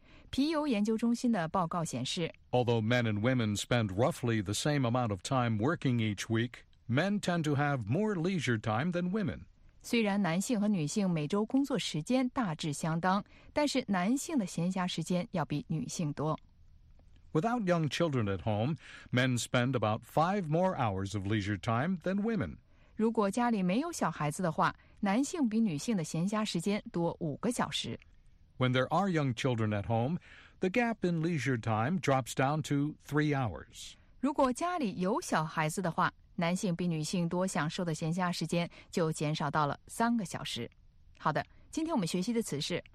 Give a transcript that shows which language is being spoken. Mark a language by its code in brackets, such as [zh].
[zh] 皮尤研究中心的报告显示 [en] Although men and women spend roughly the same amount of time working each week, men tend to have more leisure time than women. [zh] 虽然男性和女性每周工作时间大致相当，但是男性的闲暇时间要比女性多。 [en] Without young children at home, men spend about 5 more hours of leisure time than women. [zh] 如果家里没有小孩子的话，男性比女性的闲暇时间多五个小时。 [en] When there are young children at home, the gap in leisure time drops down to 3 hours. [zh] 如果家里有小孩子的话，男性比女性多享受的闲暇时间就减少到了三个小时。好的，今天我们学习的词是